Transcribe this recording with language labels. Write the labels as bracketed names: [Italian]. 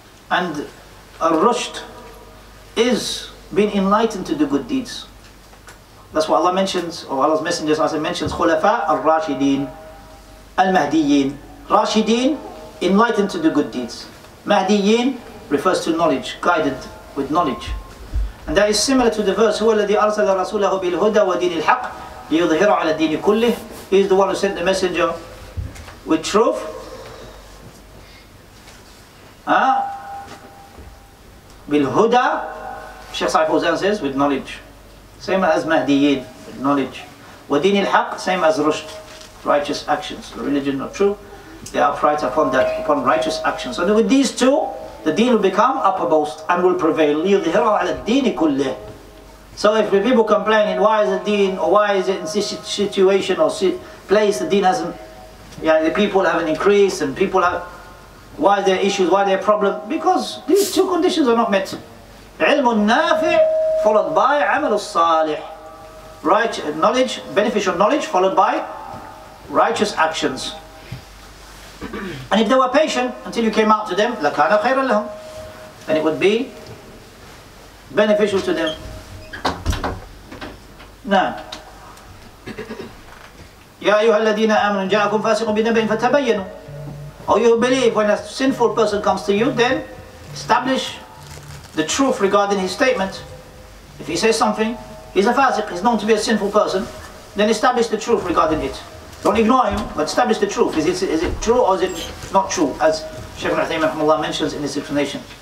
[English] And الرُّشْد is being enlightened to do good deeds. That's what Allah mentions, or Allah's Messenger as he mentions, Khulafa al-Rashideen, al-Mahdiyeen. Rashideen, enlightened to do good deeds. Mahdiyeen refers to knowledge, guided with knowledge. And that is similar to the verse, [Arabic] هو الذي أرسل رسوله بالهدى ودين الحق ليظهر على الدين كله. [English] He is the one who sent the Messenger with truth. [Arabic] بالهدى. [English] Shaykh Saif Uzan says, with knowledge. Same as Mahdiyin, with knowledge. Wadini al-Haq, same as Rushd, righteous actions. The religion of truth, they are upright upon that, upon righteous actions. So with these two, the deen will become uppermost and will prevail. [Arabic] لِيُظْهِرَ عَلَى الدِّينِ كُلِّهِ. [English] So if the people complaining, why is the deen, or why is it in this situation or place, the deen hasn't, the people haven't increased, and people have, why are there issues, why are there problems? Because these two conditions are not met. [Arabic] علم النافع [English] followed by [Arabic] عمل الصالح. [English] Right knowledge, beneficial knowledge followed by righteous actions. And if they were patient until you came out to them, [Arabic] لكان خيرا لهم, [English] then it would be beneficial to them. [Arabic] نعم. يا أيها الذين آمنوا جاءكم فاسق بنبأ فتبينوا. [English] Or you believe when a sinful person comes to you, then establish the truth regarding his statement, if he says something, he's a fasiq, he's known to be a sinful person, then establish the truth regarding it. Don't ignore him, but establish the truth. Is it true or is it not true, as Shaykh Al-Uthaymeen rahimahullah mentions in his explanation.